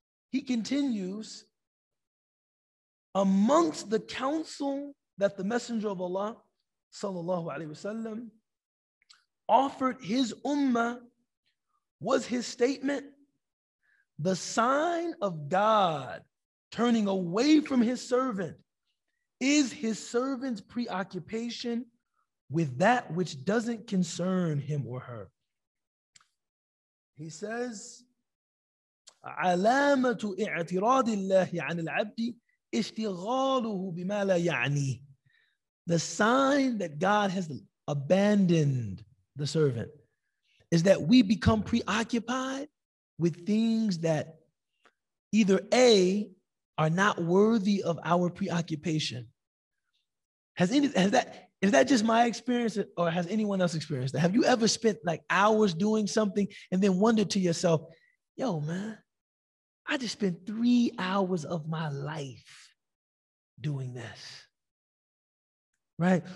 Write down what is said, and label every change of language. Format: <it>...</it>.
<en>He continues, amongst the counsel that the Messenger of Allah sallallahu alayhi wasallam offered his ummah was his statement, the sign of God turning away from his servant is his servant's preoccupation with that which doesn't concern him or her. He says,</en> <ar>علامة اعتراض الله عن العبد اشتغاله بما لا يعني.</ar> <en>The sign that God has abandoned the servant is that we become preoccupied with things that either A, are not worthy of our preoccupation. Is that just my experience, or has anyone else experienced that? Have you ever spent like hours doing something and then wondered to yourself, yo, man, I just spent 3 hours of my life doing this, right?</en>